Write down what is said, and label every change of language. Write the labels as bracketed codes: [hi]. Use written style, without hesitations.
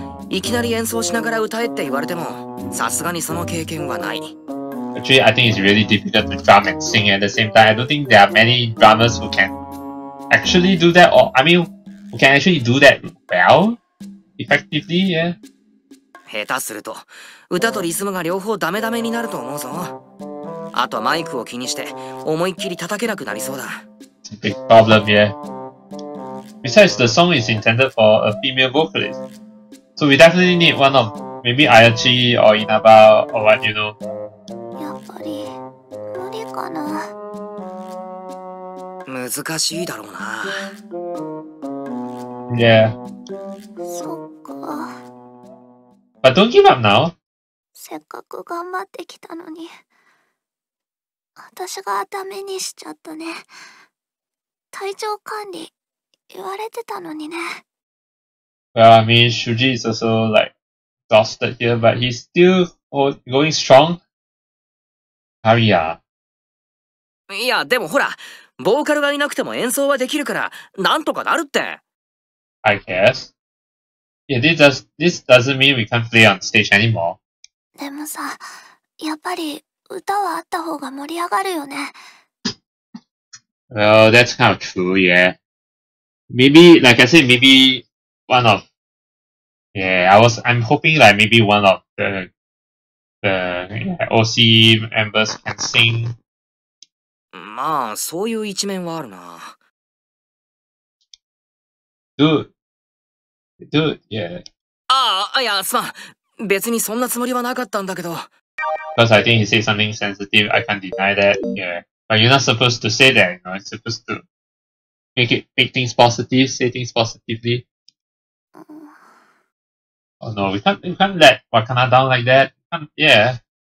[ja] いきなり演奏しながら歌えって言われても、さすがにその経験はない。 [en] Actually, I think it's really difficult to drum and sing at the same time. I don't think there are many drummers who can actually do that, or, I mean, who can actually do that well, effectively, yeah. [ja] 下手すると歌とリズムが両方ダメダメになると思うぞ。あとマイクを気にして思いっきり叩けなくなりそうだ。 [en] It's a big problem, yeah. Besides, the song is intended for a female vocalist. So we definitely need one of maybe Ayachi or Inaba or what you know. [ja] やっぱり無理かな。難しいだろうな。 [en] Yeah. [ja] そっか。 [en] But don't give up now. [ja] せっかく頑張ってきたのに、私がダメにしちゃったね。体調管理言われてたのにね。 [en] Well, I mean, Shuuji is also like exhausted here, but he's still going strong. Haria. [ja] いや、でもほら。ボーカルがいなくても演奏はできるから、なんとかなるって。 [en] I guess. Yeah, this doesn't mean we can't play on stage anymore. [ja] でもさ、やっぱり歌はあった方が盛り上がるよね。 [en] Well, that's kind of true, yeah. Maybe, like I said, maybe one of... Yeah, I'm hoping like maybe one of the yeah, OC members can sing. [ja] まあ、そういう一面はあるな。 [en] Dude, yeah. [ja] ああ、いや、すまん。別にそんなつもりはなかったんだけど。 [en] Because I think he said something sensitive, I can't deny that, yeah. But you're not supposed to say that, you know, it's supposed to make things positive, say things positively. Oh no, we can't let Wakana down like that. Yeah.